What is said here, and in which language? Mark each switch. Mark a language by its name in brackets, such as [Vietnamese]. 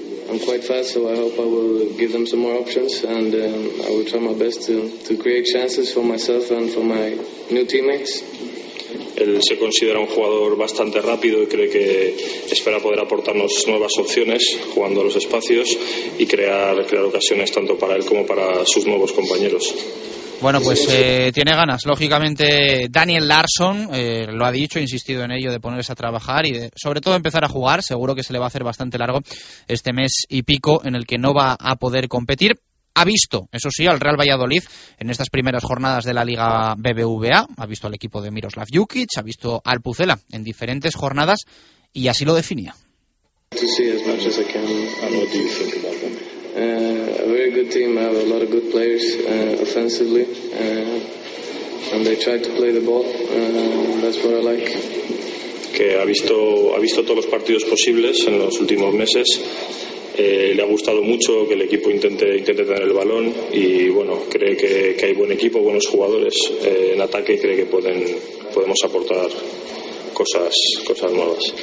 [English] I'm quite fast, so I hope I will give them some more options, and I will try my best to create chances for myself and for my new teammates. [Spanish] Él se considera un jugador bastante rápido y cree que espera poder aportarnos nuevas opciones jugando a los espacios y crear ocasiones tanto para él como para sus nuevos compañeros. Bueno, pues tiene ganas, lógicamente. Daniel Larsson lo ha dicho, ha insistido en ello, de ponerse a trabajar y de, sobre todo, empezar a jugar. Seguro que se le va a hacer bastante largo este mes y pico en el que no va a poder competir. Ha visto, eso sí, al Real Valladolid en estas primeras jornadas de la Liga BBVA, ha visto al equipo de Miroslav Jukic, ha visto al Pucela en diferentes jornadas y así lo definía. [English] To see as much as I can. And what do you think about them? A very good team, I have a lot of good players offensively, and they try to play the ball, that's what I like. [Spanish] Que ha visto todos los partidos posibles en los últimos meses. Le ha gustado mucho que el equipo intente tener el balón, y bueno, cree que hay buen equipo, buenos jugadores en ataque, y cree que podemos aportar cosas nuevas.